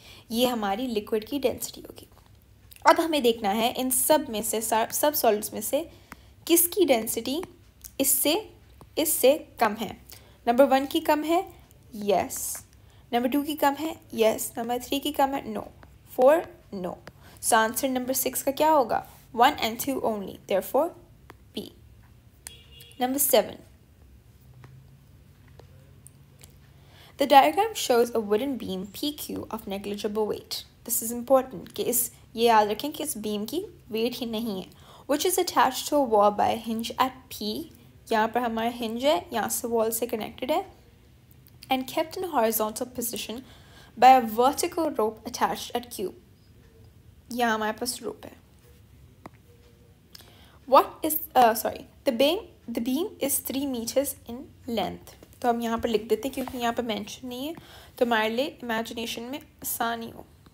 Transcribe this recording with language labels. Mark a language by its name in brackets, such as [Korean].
[Hindi] ये हमारी लिक्विड की डेंसिटी होगी. अब हमें देखना है इन सब में से, सब सॉलिड्स में से किसकी डेंसिटी इससे कम है. नंबर 1 की कम है, यस. नंबर 2 की कम है, यस. नंबर 3 की कम है, no. 4, no. So answer number 6 का क्या होगा? 1 and 2 only, therefore B. [English] Number 7, the diagram shows a wooden beam PQ of negligible weight. This is important. [Hindi] ये याद रखें कि इस beam की weight ही नहीं है. [English] Which is attached to a wall by a hinge at P. [Hindi] यहाँ पर हमारा hinge है, यहाँ से wall से connected है. [English] And kept in horizontal position by a vertical rope attached at Q. [Hindi] यहाँ हमारे पास rope है. [English] The beam is 3 meters in length. [Hindi] तो हम यहाँ पर लिख देते हैं क्योंकि यहाँ पर मेंशन नहीं है, तो हमारे लिए इमेजिनेशन में आसानी हो.